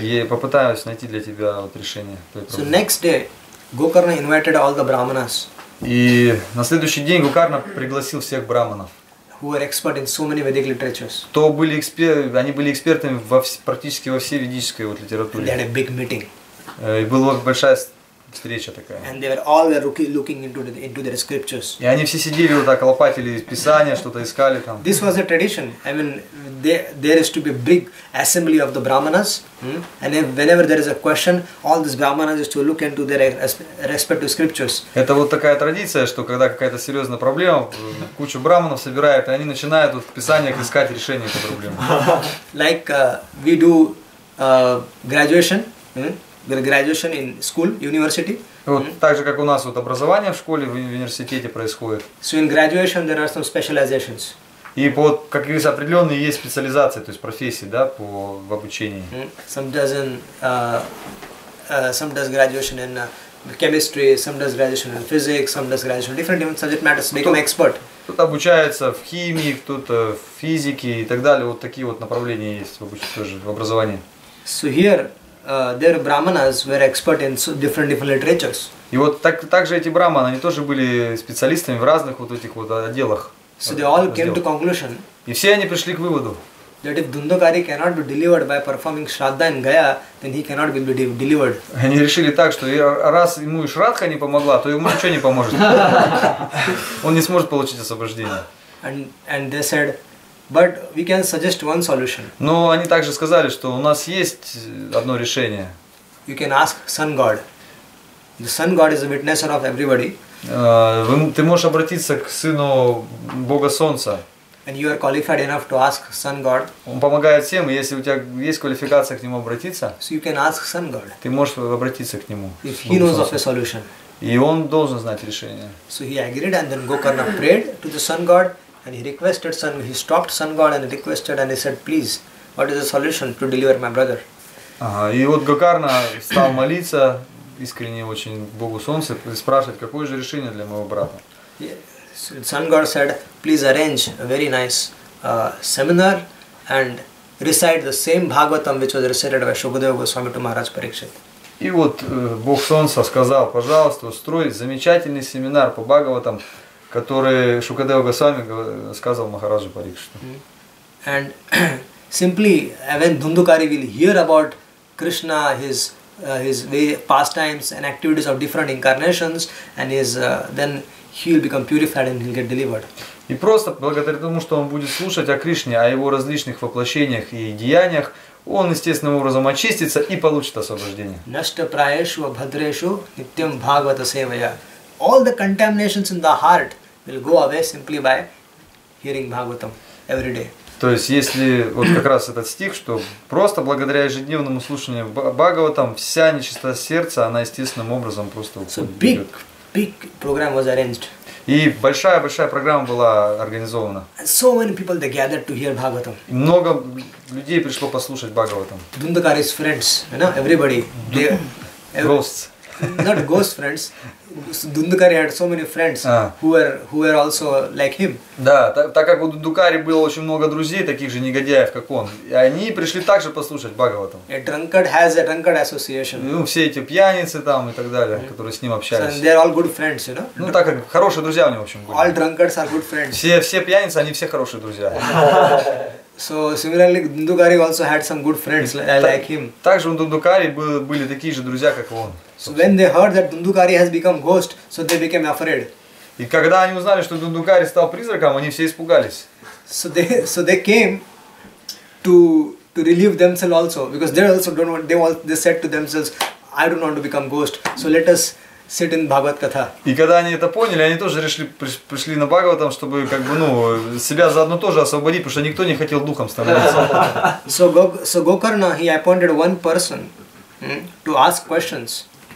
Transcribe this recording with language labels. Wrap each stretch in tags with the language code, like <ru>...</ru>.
<en>you.</en> <ru>Я попытаюсь найти для тебя вот решение.</ru> <en>So next day, Gokarna invited all the brahmanas.</en> <ru>И на следующий день Гокарна пригласил всех браманов.</ru> <en>Who are expert in so many Vedic literatures.</en> <ru>То были они были экспертами практически во всей ведической вот литературе.</ru> <en>They had a big meeting.</en> <ru>И была большая встреча такая.</ru> <en>And they were all looking into their scriptures.</en> <ru>И они все сидели вот так лопатили писания, что-то искали там.</ru> <en>This was a tradition. I mean, there is to be a big assembly of the brahmanas. And whenever there is a question, all these brahmanas used to look into their respective scriptures.</en> <ru>Это вот такая традиция, что когда какая-то серьезная проблема, кучу браманов собирают, и они начинают вот в писаниях искать решение этой проблемы.</ru> <en>Like we do graduation. Graduation in school, university.</en> <ru>Вот так же, как у нас вот образование в школе, в университете происходит.</ru> <en>So in graduation there are some specializations.</en> <ru>И вот как говорится, определенные есть специализации, то есть профессии, да, по в обучении.</ru> <en>Some does graduation in chemistry, some does graduation in physics, some does graduation in different subject matters, become expert.</en> <ru>Кто-то обучается в химии, кто-то в физике и так далее. Вот такие вот направления есть в обучении тоже в образовании.</ru> <en>So here. Their brahmanas were expert in different literatures.</en> <ru>И вот также эти браманы, они тоже были специалистами в разных вот этих вот отделах.</ru> <en>So they all came to conclusion.</en> <ru>И все они пришли к выводу.</ru> <en>That if Dundukari cannot be delivered by performing shraddha in Gaya, then he cannot be delivered.</en> <ru>Они решили так, что раз ему и шрадха не помогла, то ему ничего не поможет. Он не сможет получить освобождение.</ru> <en>And they said. But we can suggest one solution.</en> <ru>Но они также сказали, что у нас есть одно решение.</ru> <en>You can ask Sun God. The Sun God is a witnesser of everybody.</en> <ru>Ты можешь обратиться к сыну Бога Солнца.</ru> <en>And you are qualified enough to ask Sun God.</en> <ru>Он помогает всем, и если у тебя есть квалификация к нему обратиться.</ru> <en>So you can ask Sun God.</en> <ru>Ты можешь обратиться к нему.</ru> <en>If he knows of a solution.</en> <ru>И он должен знать решение.</ru> <en>So he agreed, and then Gokarna prayed to the Sun God. And he requested Sun. He stopped Sun God and requested, and he said, "Please, what is the solution to deliver my brother?"</en> <ru>И вот Гокарна стал молиться искренне очень Богу Солнца и спрашивать, какое же решение для моего брата.</ru> <en>Yeah. So Sun God said, "Please arrange a very nice seminar and recite the same Bhagavatam which was recited by Shukadeva Goswami to Maharaj Parikshit."</en> <ru>И вот Бог Солнца сказал, пожалуйста, устрой замечательный семинар по Бхагаватам. Который Шукадева Госвами сказал Махараджу Парикшиту.</ru> <en>And simply when Dundukari will hear about Krishna, his pastimes and activities of different incarnations, and his then he will become purified and he'll get delivered.</en> <ru>И просто благодаря тому, что он будет слушать о Кришне, о его различных воплощениях и деяниях, он естественным образом очистится и получит освобождение.</ru> <sa>Нашта праешу абхадрешу нитям бхагавата севая.</sa> <en>All the contaminations in the heart will go away simply by hearing Bhagavatam every day.</en> <ru>То есть, если вот как раз этот стих, что просто благодаря ежедневному слушанию Бхагаватам вся нечистота сердца, она естественным образом просто уходит.</ru> <en>So big program was arranged.</en> <ru>И большая программа была организована.</ru> <en>And so many people they gathered to hear Bhagavatam.</en> <ru>Много людей пришло послушать Бхагаватам.</ru> <en>Dundukari's friends, you know, everybody. Ghosts. Not ghost friends. Дундукари had so many friends who were also like him.</en> <ru>Да, так как у Дундукари было очень много друзей, таких же негодяев, как он, и они пришли также послушать Бхагаватам.</ru> <en>A drunkard has a drunkard association.</en> <ru>Ну, все эти пьяницы там и так далее, которые с ним общались.</ru> <en>So they're all good friends, you know?</en> <ru>Ну, так как хорошие друзья у него, в общем, были.</ru> <en>All drunkards are good friends.</en> <ru>Все пьяницы, они все хорошие друзья.</ru> <en>So similarly, Дундукари also had some good friends like him.</en> <ru>Также у Дундукари были такие же друзья, как он.</ru> <en>So when they heard that Дундукари has become ghost, so they became afraid.</en> <ru>И когда они узнали, что Дундукари стал призраком, они все испугались.</ru> <en>So they came to relieve themselves also, because they also don't want. They said to themselves, I don't want to become ghost. So let us sit in Bhagavad Katha.</en> <ru>И когда они это поняли, они тоже пришли на Бхагаватам, чтобы как бы, ну, себя заодно тоже освободить, потому что никто не хотел духом становиться.</ru> <en>So Gokarna, he appointed one person to ask questions.</en>